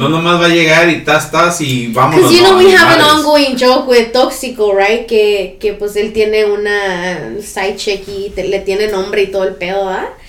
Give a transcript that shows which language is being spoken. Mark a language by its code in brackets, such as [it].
[es] No nomás va a llegar y tas y vamos. [en] Because, you know, we have an ongoing joke with Tóxico, right? [es] Que pues, él tiene una side check y le tiene nombre y todo el pedo, ¿verdad?